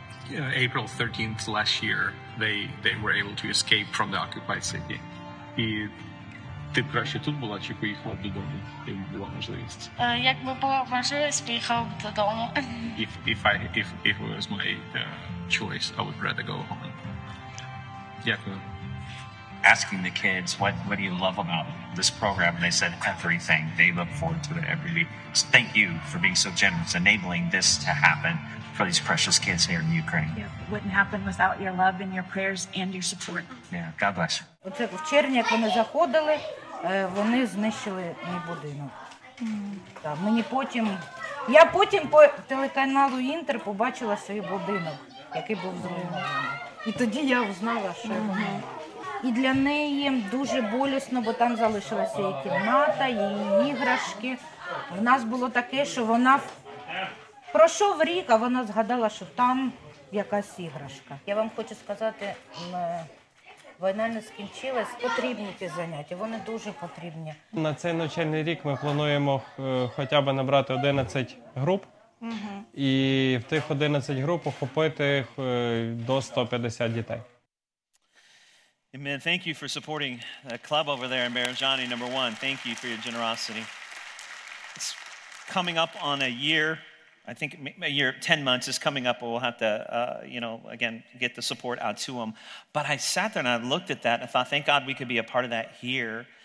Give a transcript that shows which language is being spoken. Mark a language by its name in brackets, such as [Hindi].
[English] Yeah, April 13th last year, they were able to escape from the occupied city. [Ukrainian] І ти б краще тут була чи поїхала б додому, якби була можливість? Якби була можливість, поїхав б додому. [English] If it was my choice, I would rather go home. [Ukrainian] Дякую. [English] Asking the kids, what do you love about this program? And they said everything. They look forward to it every week. So thank you for being so generous, enabling this to happen for these precious kids here in Ukraine. It wouldn't happen without your love and your prayers and your support. Yeah, God bless you. [Ukrainian] Оце в червні, як вони заходили, вони знищили мій будинок. Так, мені потім... Я потім по телеканалу Інтер побачила свій будинок, який був зруйнований. І тоді я узнала, що... І для неї дуже болісно, бо там залишилася її кімната, її іграшки. В нас було таке, що вона пройшов рік, а вона згадала, що там якась іграшка. Я вам хочу сказати, війна не скінчилась, потрібні ті заняття, вони дуже потрібні. На цей навчальний рік ми плануємо хоча б набрати 11 груп. І в тих 11 груп охопити до 150 дітей. [English] Amen. Thank you for supporting the club over there in Bergiani, number one. Thank you for your generosity. It's coming up on a year. I think a year, 10 months is coming up. We'll have to, again, get the support out to them. But I sat there and I looked at that and I thought, thank God we could be a part of that here.